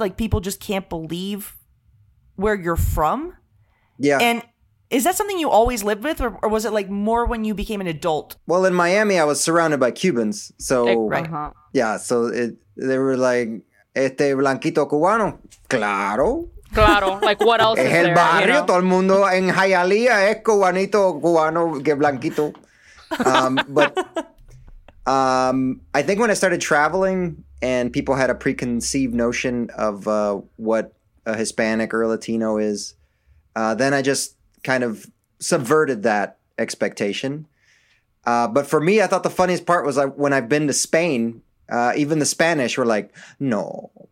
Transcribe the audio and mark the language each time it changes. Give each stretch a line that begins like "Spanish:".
English: Like people just can't believe where you're from. Yeah. And is that something you always lived with or was it like more when you became an adult? Well, in Miami, I was surrounded by Cubans. So, right. Yeah. So they were like,
Spanish: este blanquito cubano. Claro. Claro.
English: Like what else
Spanish: es
English: is there?
Spanish: El barrio, todo el mundo en Hialeah es cubanito cubano que blanquito.
English: But I think when I started traveling and people had a preconceived notion of what a Hispanic or a Latino is, then I just kind of subverted that expectation. But for me, I thought the funniest part was like when I've been to Spain, even the Spanish were like, no.